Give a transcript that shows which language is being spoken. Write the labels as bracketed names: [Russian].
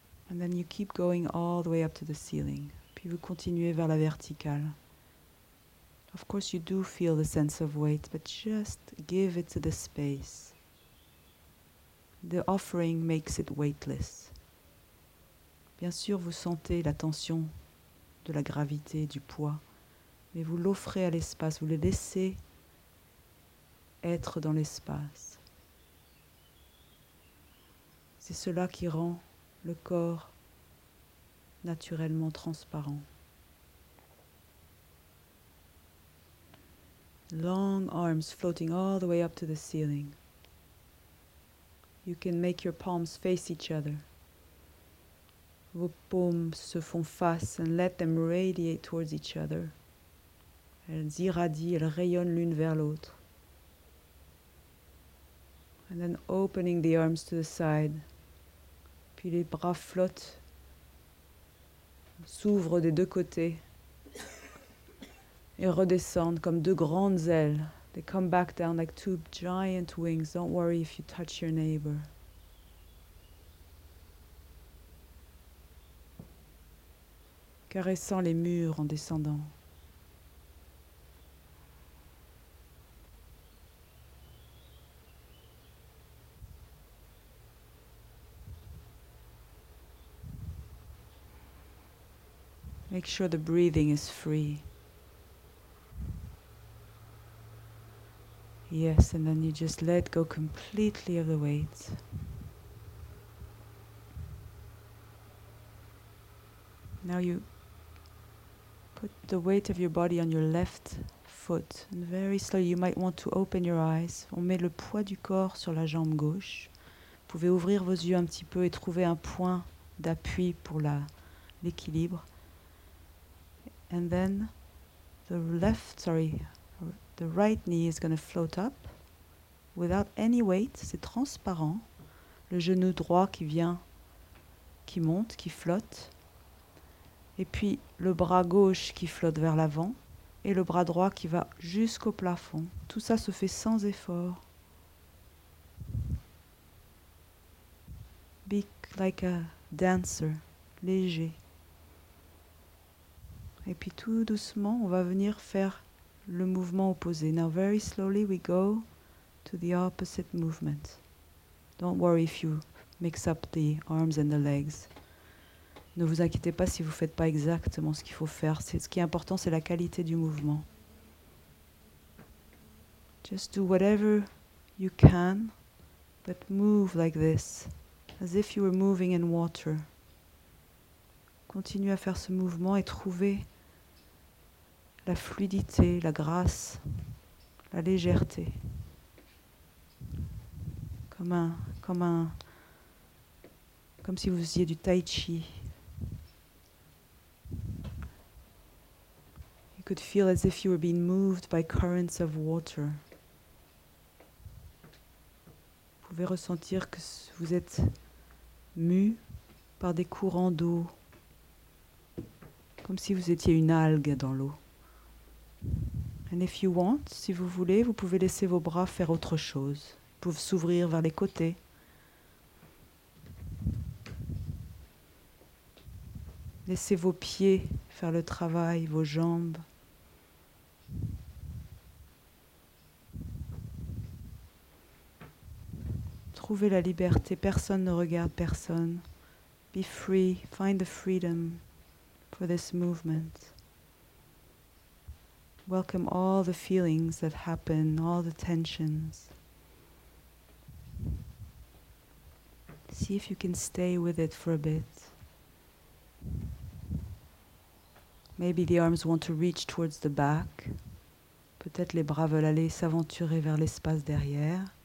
[English] And then you keep going all the way up to the ceiling. [French] Puis vous continuez vers la verticale. [English] Of course you do feel the sense of weight, but just give it to the space. The offering makes it weightless. [French] Bien sûr, vous sentez la tension de la gravité, du poids, mais vous l'offrez à l'espace, vous le laissez être dans l'espace. C'est cela qui rend le corps naturellement transparent. [English] Long arms floating all the way up to the ceiling. You can make your palms face each other. [French] Vos paumes se font face [English] and let them radiate towards each other. [French] Elles irradient, elles rayonnent l'une vers l'autre. [English] And then opening the arms to the side. [French] Puis les bras flottent, s'ouvrent des deux côtés et redescendent comme deux grandes ailes. [English] They come back down like two giant wings. Don't worry if you touch your neighbor. [French] Caressant les murs en descendant. [English] Make sure the breathing is free. Yes, and then you just let go completely of the weight. Now you put the weight of your body on your left foot. And very slowly, you might want to open your eyes. [French] On met le poids du corps sur la jambe gauche. Vous pouvez ouvrir vos yeux un petit peu et trouver un point d'appui pour l'équilibre. [English] And then the right knee is going to float up without any weight. [French] C'est transparent. Le genou droit qui vient, qui monte, qui flotte. Et puis le bras gauche qui flotte vers l'avant et le bras droit qui va jusqu'au plafond. Tout ça se fait sans effort. [English] Be like a dancer, léger. [French] Et puis tout doucement, on va venir faire le mouvement opposé. [English] Now very slowly we go to the opposite movement. Don't worry if you mix up the arms and the legs. [French] Ne vous inquiétez pas si vous ne faites pas exactement ce qu'il faut faire. Ce qui est important, c'est la qualité du mouvement. [English] Just do whatever you can, but move like this, as if you were moving in water. [French] Continue à faire ce mouvement et trouvez la fluidité, la grâce, la légèreté. Comme si vous faisiez du tai chi. [English] You could feel as if you were being moved by currents of water. [French] Vous pouvez ressentir que vous êtes mu par des courants d'eau. Comme si vous étiez une algue dans l'eau. [English] And if you want, [French] si vous voulez, vous pouvez laisser vos bras faire autre chose. Ils peuvent s'ouvrir vers les côtés. Laissez vos pieds faire le travail, vos jambes. trouver la liberté, personne ne regarde personne. [English] Be free, find the freedom for this movement. Welcome all the feelings that happen, all the tensions. See if you can stay with it for a bit. Maybe the arms want to reach towards the back. [French] Peut-être les bras veulent aller s'aventurer vers l'espace derrière.